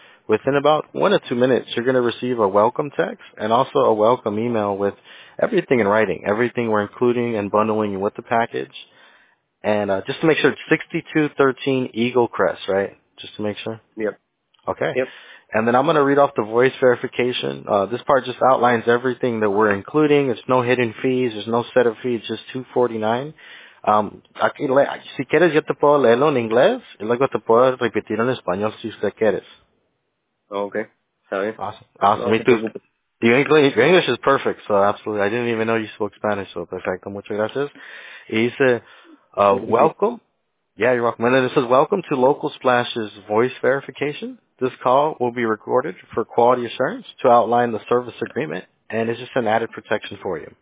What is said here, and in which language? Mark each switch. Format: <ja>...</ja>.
<en>Within about 1 or 2 minutes, you're going to receive a welcome text and also a welcome email with everything in writing, everything we're including and bundling with the package. And just to make sure, it's 6213 Eagle Crest, right? Just to make sure? Yep. Okay. Yep. And then I'm going to read off the voice verification. This part just outlines everything that we're including. It's no hidden fees. There's no set of fees. Just $249.</en> <es>Si quieres, yo te puedo leerlo en inglés y luego te puedo repetir en español si usted quieres.</es> <en>Okay. Sorry. Awesome. Awesome. Me too. Your English is perfect, so absolutely. I didn't even know you spoke Spanish, so</en> <es>perfecto. Muchas gracias. Y dice,</es> <en>welcome. Yeah, you're welcome. And then it says, welcome to Local Splash's voice verification. This call will be recorded for quality assurance to outline the service agreement, and it's just an added protection for you.</en>